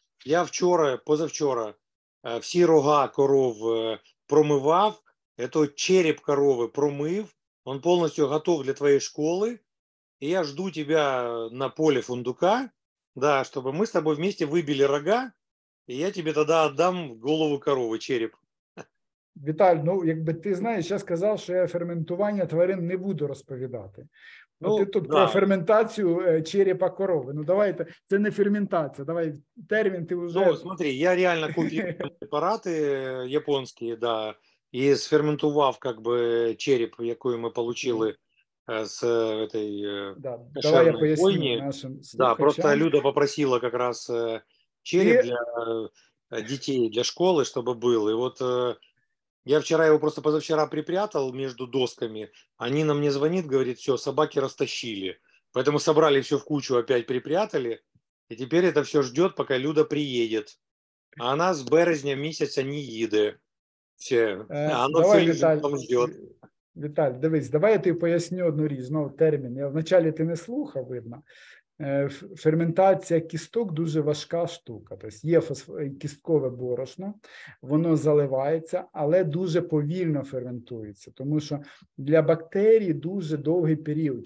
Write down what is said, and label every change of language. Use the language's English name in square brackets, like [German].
[Russian] Я позавчора все рога коров промывав, это череп коровы промыв, он полностью готов для твоей школы, и я жду тебя на поле фундука, да, чтобы мы с тобой вместе выбили рога, и я тебе тогда отдам голову коровы, череп. [Ukrainian] Віталь, ну якби ти знаєш, я сказав, що я ферментування тварин не буду розповідати. Ну, ти тут да. Про ферментацію черепа корови. Ну давайте, це не ферментація. Давай термін ти вже. Ну, [Russian] смотри, [Ukrainian] я реально купив препарати японські, да, і сферментував, как бы, череп, який ми отримали з этой. Да. Давай я поясню нашим слухачам. Да, просто Люда попросила [Russian] как раз [Ukrainian] череп для дітей, для школи, щоб був. І от [Russian] я вчера его просто позавчера припрятал между досками. Они на мне звонит, говорит, все, собаки растащили. Поэтому собрали все в кучу, опять припрятали. И теперь это все ждет, пока Люда приедет. А она с березня месяца не едет. Все. А оно давай, все Виталь, ждет. [Ukrainian] Віталь, дивись, давай я тобі поясню одну річ, знову термін. Я вначалі ти не слухав, видно. Ферментація кісток дуже важка штука. Тобто є кісткове борошно, воно заливається, але дуже повільно ферментується. Тому що для бактерій дуже довгий період.